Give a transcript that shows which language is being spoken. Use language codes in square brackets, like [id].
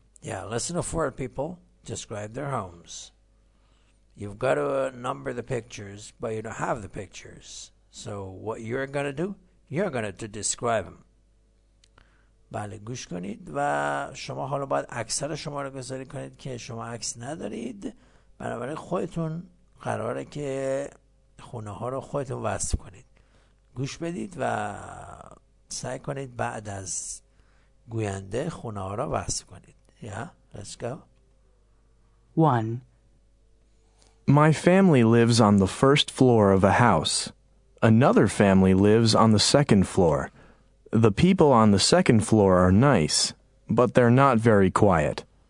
[en] Yeah, listen to four people describe their homes. You've got to number the pictures, but you don't have the pictures. So what you're going to do, you're going to describe them. [fa] بله گوش کنید و شما حالا باید اکثر شما رو گذاری کنید که شما عکس ندارید، بنابراین خودتون قراره که خونه ها رو خودتون وصف کنید. گوش بدید و سعی کنید بعد از گوینده خونه ها رو وصف کنید. [en] Yeah, let's go. 1. My family lives on the first floor of a house. Another family lives on the second floor. The people on the second floor are nice, but they're not very quiet.